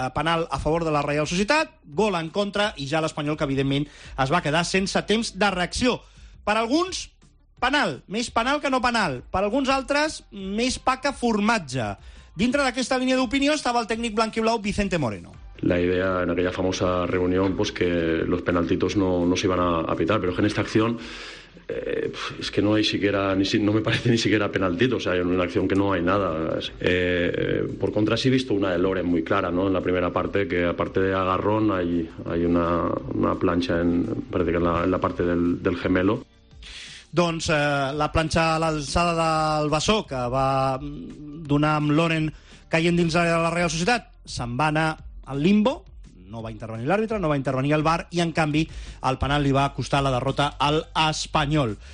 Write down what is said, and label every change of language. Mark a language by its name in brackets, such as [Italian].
[Catalan] Penal a favor de la Real Societat, gol en contra, i ja l'Espanyol, que evidentment es va quedar sense temps de reacció. Per alguns... penal, més penal que no penal. Per alguns altres, més pa que formatge. Dintre d'aquesta línia d'opinió estava el tècnic blanquiblau Vicente Moreno. [Spanish] La idea en aquella famosa reunión, pues que los penaltitos no se iban a pitar, pero que en esta acción es que no hay siquiera, no me parece ni siquiera penaltito, o sea, en una acción que no hay nada. Por contra, sí he visto una de Loren muy clara, ¿no? En la primera parte, que aparte de agarrón hay una plancha, parece que en la parte del gemelo. [Catalan] Doncs la planxa a l'alçada del bessó que va donar amb Loren caient dins de la Real Societat se'n va anar al limbo, no va intervenir l'àrbitre, no va intervenir el VAR, i en canvi el penal li va costar la derrota al Espanyol.